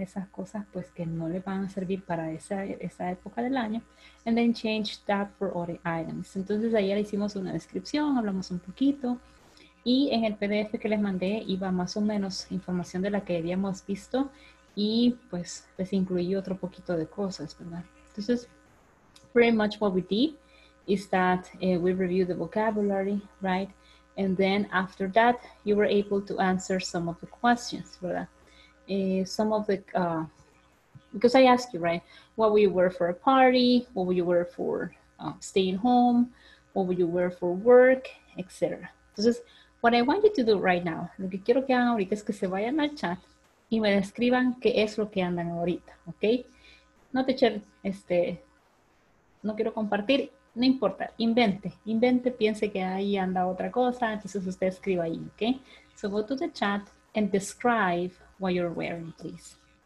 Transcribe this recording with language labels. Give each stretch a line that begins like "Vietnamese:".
Spanish: Esas cosas pues que no les van a servir para esa época del año.
English: And then change that for other items.
Spanish: Entonces, ayer hicimos una descripción, hablamos un poquito. Y en el PDF que les mandé iba más o menos información de la que habíamos visto. Y pues les incluí otro poquito de cosas, ¿verdad?
English: Entonces, pretty much what we did is that we reviewed the vocabulary, right? And then after that, you were able to answer some of the questions, ¿verdad? Some of the, because I asked you, right? What would you wear for a party? What would you wear for staying home? What would you wear for work, etc.
Spanish: Entonces,
English: what I want you to do right now,
Spanish: lo que quiero que hagan ahorita es que se vayan al chat y me describan qué es lo que andan ahorita, ¿ok? No te echar, no quiero compartir, no importa, invente, piense que ahí anda otra cosa, entonces usted escriba ahí, ¿ok?
English: So go to the chat and describe what you're wearing, please.